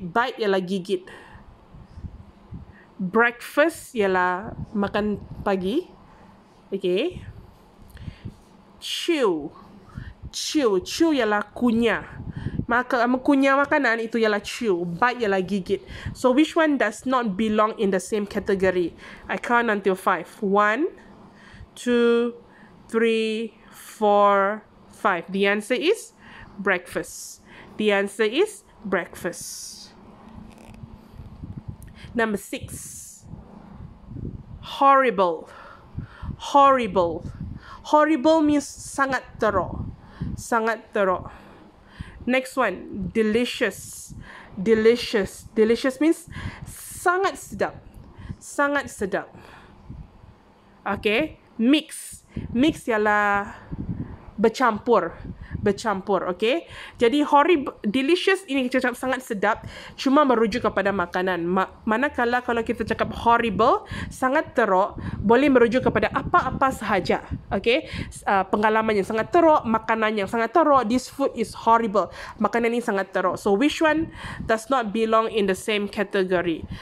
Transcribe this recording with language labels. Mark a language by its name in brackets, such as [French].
[Malay] Bite ialah gigit. Breakfast ialah makan pagi. [English] Okay. Chew. Chew. [Malay] Chew ialah kunyah. Maka kunyah makanan itu ialah chew. Bite ialah gigit. [English] So which one does not belong in the same category? I count until 5. 1, 2, 3, 4, 5. The answer is breakfast. The answer is breakfast. Number 6. Horrible. Horrible. Horrible means [Malay] sangat teruk. Sangat teruk. [English] Next one. Delicious. Delicious. Delicious means [Malay] sangat sedap. Sangat sedap. [English] Okay. Mix. [Malay] Mix ialah bercampur. Bercampur. Okay. Jadi horrible. Delicious ini kita cakap sangat sedap. Cuma merujuk kepada makanan. Manakala kalau kita cakap horrible, sangat teruk, boleh merujuk kepada apa-apa sahaja. Okay. Pengalaman yang sangat teruk, makanan yang sangat teruk. [English] This food is horrible. [Malay] Makanan ini sangat teruk. [English] So which one does not belong in the same category?